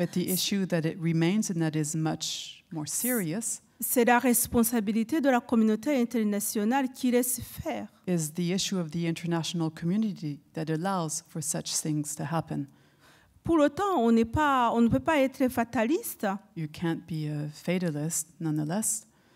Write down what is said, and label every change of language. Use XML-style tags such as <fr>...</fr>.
<en>But the issue that it remains and that is much more serious.</en> <fr>C'est la responsabilité de la communauté internationale qui laisse faire.</fr> <en>Is the issue of the international community that allows for such things to happen.</en> <fr>Pour autant, on ne peut pas être fataliste.</fr> <en>You can't be a fatalist, nonetheless.</en>